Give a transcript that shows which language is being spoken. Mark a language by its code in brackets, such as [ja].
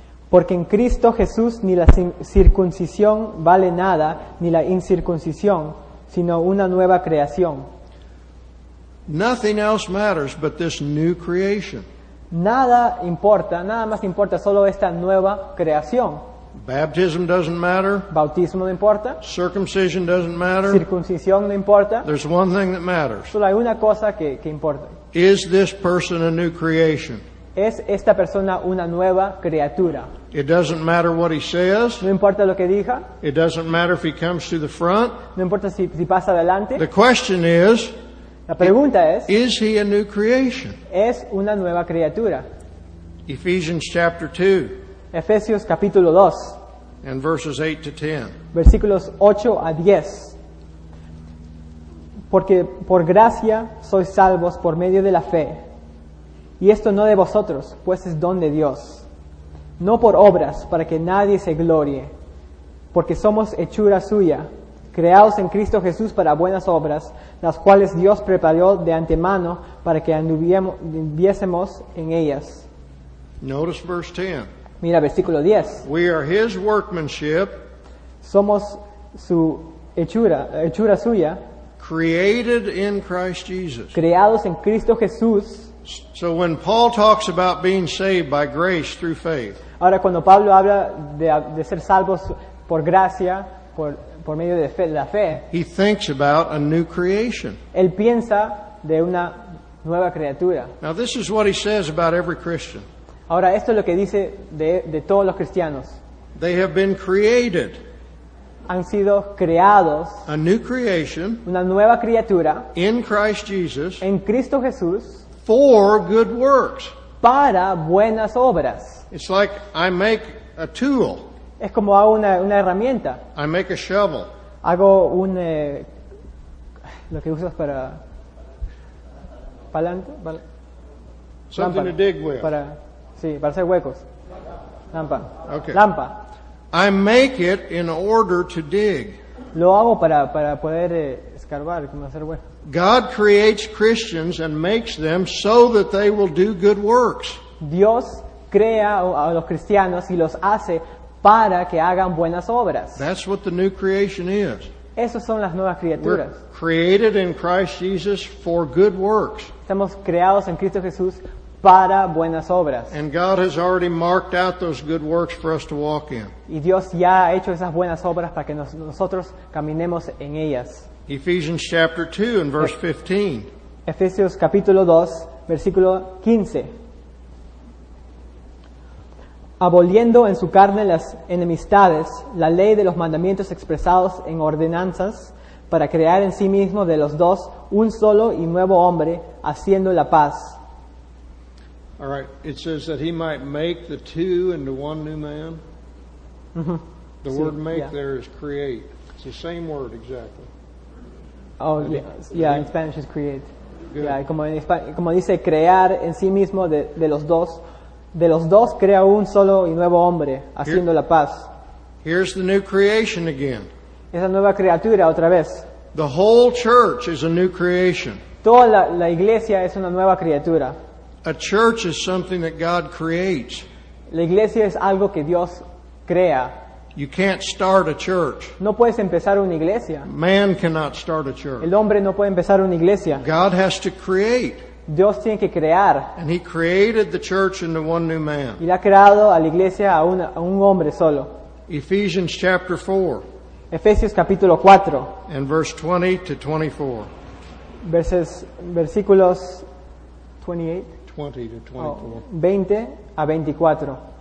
[es] Porque en Cristo Jesús ni la circuncisión vale nada, ni la incircuncisión, sino una nueva creación. [en] Nothing else matters but this new creation. [es] Nada importa, nada más importa, solo esta nueva creación. [en] Baptism doesn't matter. [es] Bautismo no importa. [en] Circumcision doesn't matter. [es] Circuncisión no importa. [en] There's one thing that matters. [es] Solo hay una cosa que importa. [en] Is this person a new creation? [es] ¿Es esta persona una nueva criatura? [en] It doesn't matter what he says. [es] No importa lo que diga. [en] It doesn't matter if he comes to the front. [es] No importa si pasa adelante. [en] The question is, [es] la pregunta es, [en] is he a new creation? [es] ¿Es una nueva criatura? [en] Ephesians chapter 2. [es] Efesios capítulo 2. [en] And verses 8 to 10. [es] Versículos 8 a 10. Porque por gracia sois salvos por medio de la fe. Y esto no de vosotros, pues es don de Dios. No por obras, para que nadie se glorie. Porque somos hechura suya, creados en Cristo Jesús para buenas obras, las cuales Dios preparó de antemano para que anduviésemos en ellas. [en] Notice verse 10. [es] Mira versículo 10. [en] We are his workmanship. [es] Somos su hechura suya. [en] Created in Christ Jesus. [es] Creados en Cristo Jesús. [en] So when Paul talks about being saved by grace through faith. [es] Ahora cuando Pablo habla de ser salvos por gracia, por medio de la fe. [en] He thinks about a new creation. [es] Él piensa de una nueva criatura. [en] Now this is what he says about every Christian. [es] Ahora esto es lo que dice de todos los cristianos. [en] They have been created. [es] Han sido creados. [en] A new creation. [es] Una nueva criatura. [en] In Christ Jesus. [es] En Cristo Jesús. [en] For good works. [es] Para buenas obras. [en] It's like I make a tool. [es] Es como hago una herramienta. [en] I make a shovel. [es] Hago un lo que usas para palante, [en] something [es] lámpara, [en] to dig with. [es] Para sí, para hacer huecos. Lampa. Okay. Lampa. [en] I make it in order to dig. [es] Lo hago para poder escarbar, como hacer huecos. [en] God creates Christians and makes them so that they will do good works. [es] Dios crea a los cristianos y los hace para que hagan buenas obras. [en] That's what the new creation is. [es] Esas son las nuevas criaturas. [en] We're created in Christ Jesus for good works. [es] Estamos creados en Cristo Jesús para buenas obras. [en] And God has already marked out those good works for us to walk in. [es] Y Dios ya ha hecho esas buenas obras para que nosotros caminemos en ellas. [en] Ephesians chapter 2 and verse 15. [es] Efesios capítulo 2, versículo 15. Aboliendo en su carne las enemistades, la ley de los mandamientos expresados en ordenanzas, para crear en sí mismo de los dos un solo y nuevo hombre, haciendo la paz. [en] All right, it says that he might make the two into one new man. The sí, word make yeah. There is create. It's the same word exactly. Oh, yeah, in Spanish it's create. Good. [es] Yeah, como dice crear en sí mismo de los dos. De los dos crea un solo y nuevo hombre, haciendo la paz. [en] Here's the new creation again. [es] Esa nueva criatura otra vez. [en] The whole church is a new creation. [es] Toda la iglesia es una nueva criatura. [en] A church is something that God creates. [es] La iglesia es algo que Dios crea. [en] You can't start a church. [es] No puedes empezar una iglesia. [en] Man cannot start a church. [es] El hombre no puede empezar una iglesia. [en] God has to create. [es] Dios tiene que crear. [en] And he created the church into one new man. [es] Y ha creado a la iglesia a un hombre solo. [en] Ephesians chapter 4. [es] Efesios capítulo 4. [en] And verse 20 to 24. [es] Versículos 28. 20 a 24.